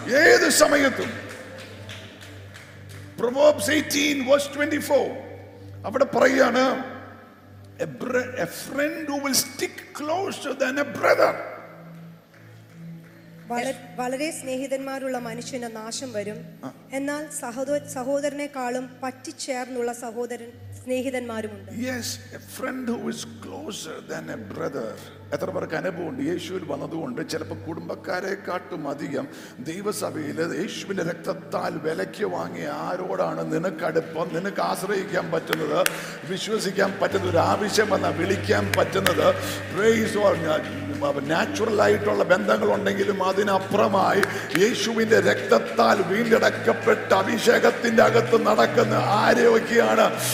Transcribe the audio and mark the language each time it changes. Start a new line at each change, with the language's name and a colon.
Malayalam: ഏത് സമയത്തും Proverbs 18 verse 24 അവിടെ പറയാണ്
English: a friend who will stick closer than a brother.
Malayalam: വളരെ സ്നേഹിതന്മാരുള്ള മനുഷ്യന് നാശം വരും എന്നാൽ സഹോദരനെക്കാളും പറ്റിച്ചേർന്നുള്ള സഹോദരൻ സ്നേഹിതന്മാരുമുണ്ട്
English: Yes, a friend who is closer than a brother.
Malayalam: എത്ര പേർക്ക് അനുഭവമുണ്ട് യേശുവിൽ വന്നതുകൊണ്ട് ചിലപ്പോൾ കുടുംബക്കാരെക്കാട്ടും അധികം ദൈവസഭയിൽ യേശുവിൻ്റെ രക്തത്താൽ വിലയ്ക്ക് വാങ്ങിയ ആരോടാണ് നിനക്കടുപ്പം നിനക്ക് ആശ്രയിക്കാൻ പറ്റുന്നത് വിശ്വസിക്കാൻ പറ്റുന്നത് ഒരു ആവശ്യം വന്നാൽ വിളിക്കാൻ പറ്റുന്നത് പ്രേയ്സ് നാച്ചുറലായിട്ടുള്ള ബന്ധങ്ങളുണ്ടെങ്കിലും അതിനപ്പുറമായി യേശുവിൻ്റെ രക്തത്താൽ വീണ്ടെടുക്കപ്പെട്ട അഭിഷേകത്തിൻ്റെ അകത്ത് നടക്കുന്ന ആരെയൊക്കെയാണ്